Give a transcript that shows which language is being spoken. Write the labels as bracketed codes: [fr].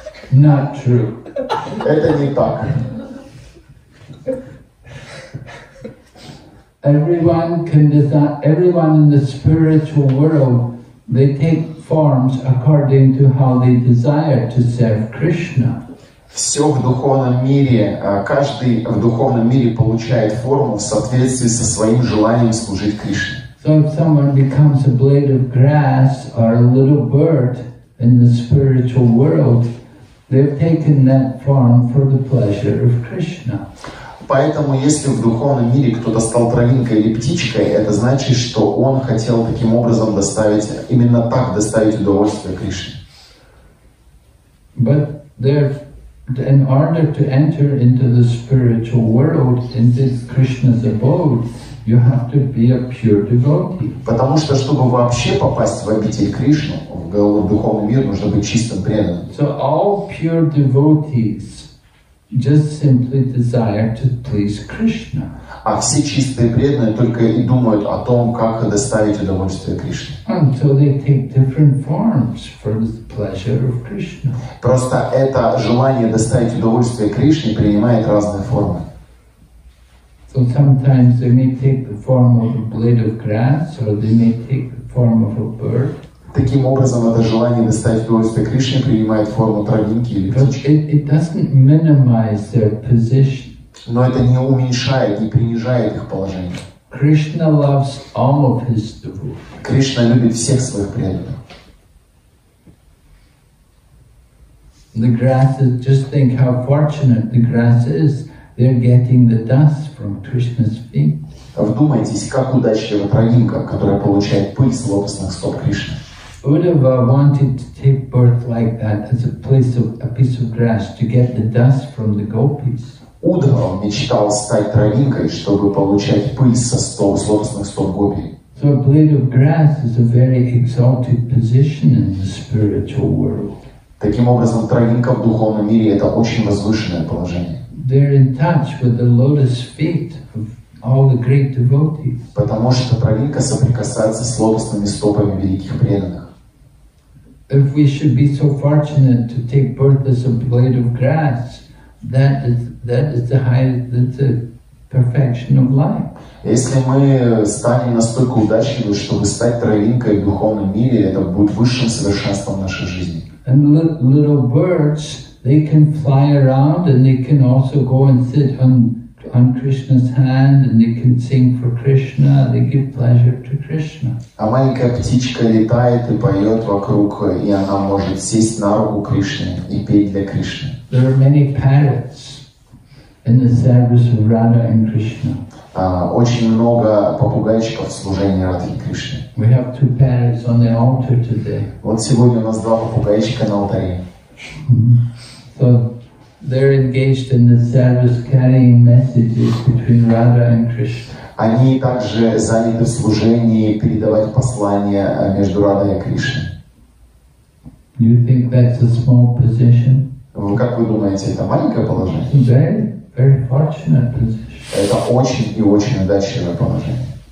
[en] Not true. [ru] Это не так. [en] Everyone in the spiritual world, they take forms according to how they desire to serve Krishna. [ru] Все в духовном мире, каждый в духовном мире получает форму в соответствии со своим желанием служить Кришне. [en] So if someone becomes a blade of grass or a little bird in the spiritual world, they've taken that form for the pleasure of Krishna. [ru] Поэтому, если в духовном мире кто-то стал травинкой или птичкой, это значит, что он хотел таким образом доставить, именно так доставить удовольствие Кришне. [en] But there, in order to enter into the spiritual world, in this Krishna's abode, you have to be a pure devotee. [ru] Потому что, чтобы вообще попасть в обитель Кришны, в духовный мир, нужно быть чистым преданным. [en] So all pure devotees just simply desire to please Krishna. [ru] А все чистые преданные только и думают о том, как доставить удовольствие Кришне. [en] And so they take different forms for the pleasure of Krishna. [ru] Просто это желание доставить удовольствие Кришне принимает разные формы. [en] So sometimes they may take the form of a blade of grass, or they may take the form of a bird. [ru] Таким образом, это желание доставить удовольствие Кришне принимает форму травинки или птички. [en] It doesn't minimize their position. [ru] Но это не уменьшает, не принижает их положение. [en] Krishna loves all of his devotees. [ru] Кришна любит всех своих преданных. [en] The grass is, just think how fortunate the grass is. They're getting the dust from Krishna's feet. [ru] Вдумайтесь, как удачлива травинка, которая получает пыль с лотосных стоп Кришны. [en] Uddhava wanted to take birth like that as a place of a piece of grass to get the dust from the gopis. [ru] Uddhava мечтал стать травинкой, чтобы получать пыль со стоп, с лотосных стоп гопи. [en] So a blade of grass is a very exalted position in the spiritual world. [ru] Таким образом, травинка в духовном мире это очень возвышенное положение. [en] They're in touch with the lotus feet of all the great devotees. [ru] Потому что травинка соприкасается с лотосными стопами великих преданных. [en] If we should be so fortunate to take birth as a blade of grass, that is the highest, that's the perfection of life. [ru] Если мы станем настолько удачливы, чтобы стать травинкой в духовном мире, это будет высшим совершенством нашей жизни. [en] And little birds, they can fly around and they can also go and sit on Krishna's hand and they can sing for Krishna, they give pleasure to Krishna. [ru] А маленькая птичка летает и поет вокруг, и она может сесть на руку Кришны и петь для Кришны. [en] There are many parrots in the service of Radha and Krishna. [ru] Очень много попугайчиков в служении Радхи Кришны. [en] We have two parrots on the altar today. [ru] Вот сегодня у нас два попугайчика на алтаре. [en] So they're engaged in the service carrying messages between Radha and Krishna. [ru] Они также заняты в служении передавать послания между Радой и Кришной. [en] You think that's a small position? [ru] Как вы думаете, это маленькое положение? [en] Very, very fortunate position. [ru] Это очень и очень удачливое положение.